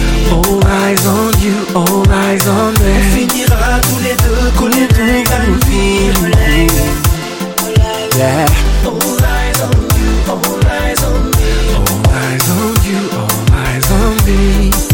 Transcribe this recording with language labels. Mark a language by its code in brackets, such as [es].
[en] All eyes on you, all eyes on me. [fr] On finira tous les deux connus de la vie. Yeah. [en] All eyes on you, all eyes on me. All eyes on you, all eyes on me.